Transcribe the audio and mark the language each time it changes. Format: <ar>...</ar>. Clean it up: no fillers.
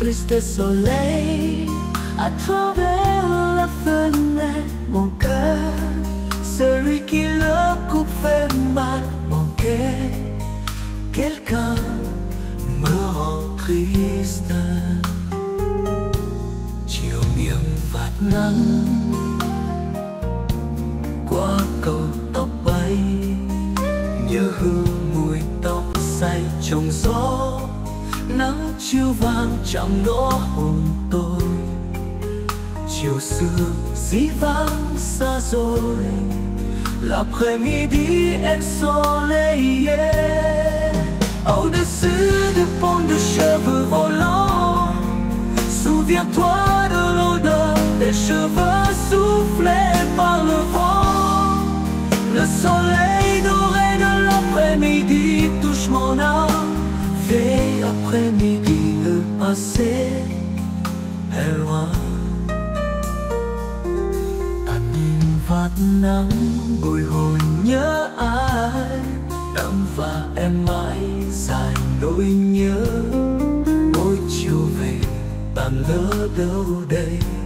<fr>Le soleil à travers la fenêtre, mon cœur, celui qui le coupe fait mal manquer. Quelqu'un me rend triste.</fr> <vi>Chiều nghiêng vạt nắng, qua cầu tóc bay, nhớ hương mùi tóc say trong gió. Nắng chiều vàng chạm đỏ hồn tôi. Chiều xưa dĩ vãng xa rồi.</vi> <fr>L'après-midi ensoleillé. Au-dessus du pont de cheveux volants, souviens-toi de l'odeur des cheveux soufflés. par le vent. Le soleil doré de l'après-midi touche mon âme. Vieille après-midi, le passé est loin.</fr> <vi>Ta nhìn vạt nắng bồi hồi nhớ ai. Nắng và em mãi dài nỗi nhớ. Mỗi chiều về tàn lỡ đâu đây.</vi>